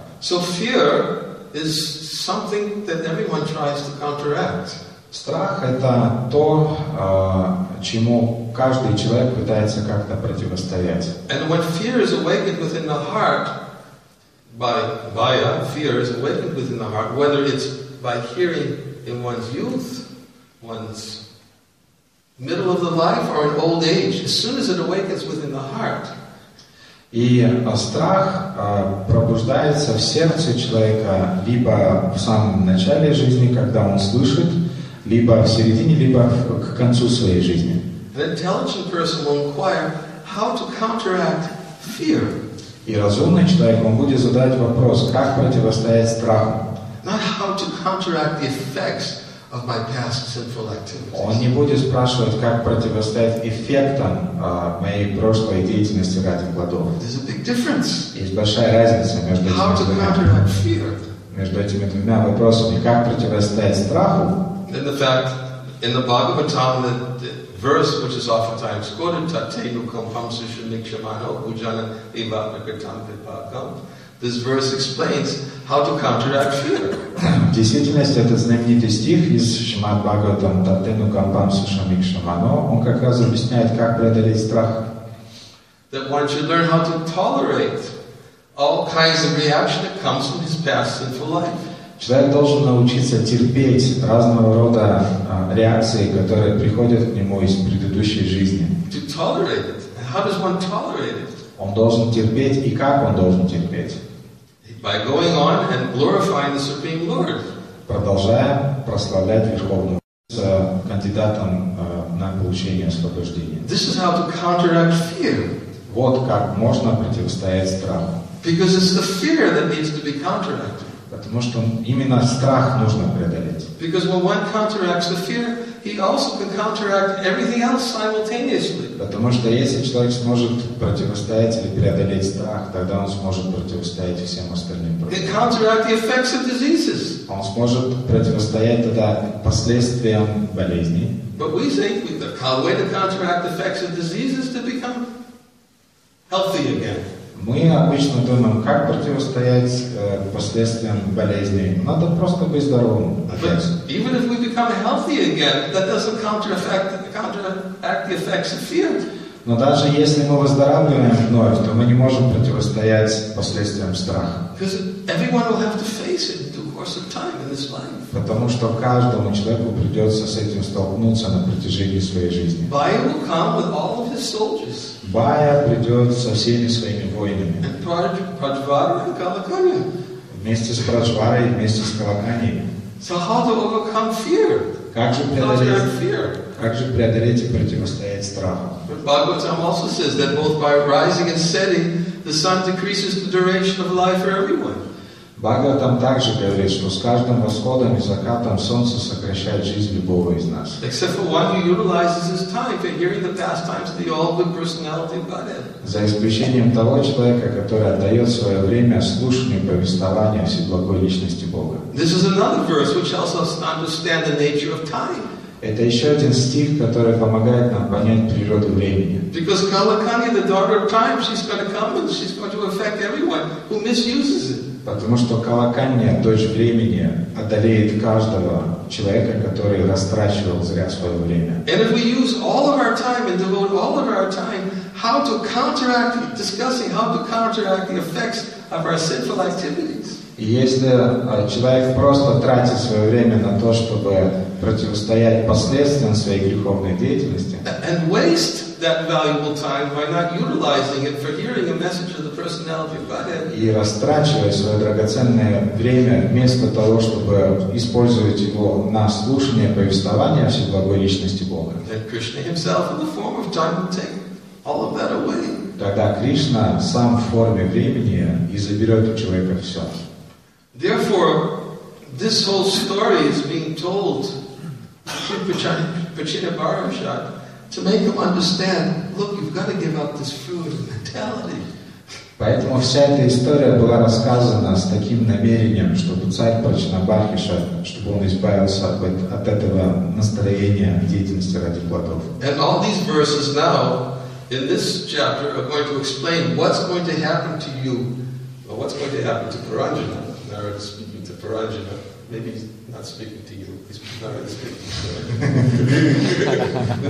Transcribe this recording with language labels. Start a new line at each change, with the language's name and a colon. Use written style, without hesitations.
English: So fear is something that everyone tries to counteract.
Russian: Страх — это то, чему каждый человек пытается как-то противостоять.
English: And when fear is awakened within the heart, by vaya, fear is awakened within the heart, whether it's by hearing in one's youth, one's middle of the life, or in old age, as soon as it awakens within the heart,
Russian: и страх пробуждается в сердце человека либо в самом начале жизни, когда он слышит, либо в середине, либо к концу своей жизни.
English: An intelligent person will inquire how to counteract fear.
Russian: И разумный человек, он будет задавать вопрос, как противостоять страху.
English: Not how to counteract the effects of my past sinful activities.
Russian: Он не будет спрашивать, как противостоять эффектам моей прошлой деятельности ради плодов.
English: There's a big difference.
Russian: Есть большая разница между
English: how
Russian: этими
English: to counteract fear.
Russian: Между этими двумя вопросами, как противостоять страху.
English: And the fact in the Bhagavatam, the verse which is oftentimes quoted,
Sanskrit: Tatenu kam pamsusha nikshamano ujana eva nakatam pipakam,
English: this verse explains how to counteract fear.
Russian: В действительности, этот знаменитый стих из Шримад Бхагаватам
Sanskrit: «Таттену камбам сушам икшамано»
Russian: он как раз объясняет, как преодолеть страх.
English: That one should learn how to tolerate all kinds of reaction that comes from his past sinful life.
Russian: Человек должен научиться терпеть разного рода реакции, которые приходят к нему из предыдущей жизни.
English: To tolerate it. And how does one tolerate it?
Russian: Он должен терпеть, и как он должен терпеть?
English: By going on and glorifying the Supreme Lord.
Russian: Продолжая прославлять Верховного с кандидатом на получение освобождения.
English: This is how to counteract fear.
Russian: Вот как можно противостоять страху.
English: Because it's the fear that needs to be counteracted.
Russian: Потому что именно страх нужно преодолеть.
English: Because when one counteracts the fear, he also can counteract everything else simultaneously.
Russian: Потому что если человек сможет противостоять или преодолеть страх, тогда он сможет противостоять всем остальным проблемам.
English: He can counteract the effects of diseases.
Russian: Он сможет противостоять тогда последствиям болезней.
English: But we think we the way to counteract the effects of diseases to become healthy again.
Russian: Мы обычно думаем, как противостоять последствиям болезней. Надо просто быть здоровым.
English: But even if we become healthy again, that doesn't counteract the effects of fear.
Russian: Но даже если мы выздоравливаем вновь, то мы не можем противостоять последствиям страха.
English: Because everyone will have to face it in the course of time in this life.
Russian: Потому что каждому человеку придется с этим столкнуться на протяжении своей жизни.
English: Bhaya will come with all of his soldiers.
Russian: Bhaya придет со всеми своими воинами.
English: And Prajvara and Kalakanya.
Russian: Вместе с Прадживарой, вместе с Калаканьей.
English: So how to overcome fear?
Russian: Как же преодолеть fear? Как же преодолеть и противостоять страху?
English: But Bhagavatam also says that both by rising and setting, the sun decreases the duration of life for everyone.
Russian: Бхагаватам также говорит, что с каждым восходом и закатом солнце сокращает жизнь любого из нас.
English: Except for one who utilizes his time for hearing the pastimes of the all good personality of Godhead.
Russian: За исключением того человека, который отдает свое время слушанию повествования всеблагой личности Бога.
English: This is another verse which helps us understand the nature of time.
Russian: Это еще один стих, который помогает нам понять природу времени.
English: Because Kalakanya, the daughter of time, she's going to come and she's going to affect everyone who misuses it.
Russian: Потому что Калаканья той же времени одолеет каждого человека, который растрачивал зря свое время.
English: And if we use all of our time and devote all of our time how to counteract, discussing how to counteract the effects of our sinful activities.
Russian: Если человек просто тратит свое время на то, чтобы противостоять последствиям своей греховной деятельности,
English: and waste that valuable time by not utilizing it for hearing a message of the personality of Godhead.
Russian: И растрачивая свое драгоценное время вместо того, чтобы использовать его на слушание повествования о Вседвойной личности Бога.
English: Then Krishna himself in the form of time will take all of that away.
Russian: Тогда Кришна сам в форме времени и заберет у человека все.
English: Therefore, this whole story is being told to Pachina Bharavshad to make him understand, look, you've got to give up this fruit of mentality.
Russian: Поэтому вся эта история была рассказана с таким намерением, чтобы царь Пачина Бархиша, чтобы он избавился от этого настроения деятельности ради плодов.
English: And all these verses now, in this chapter, are going to explain what's going to happen to you, or what's going to happen to Paranjana. Narada speaking to Paranjana, maybe he's not speaking to you, he's Narada speaking to you.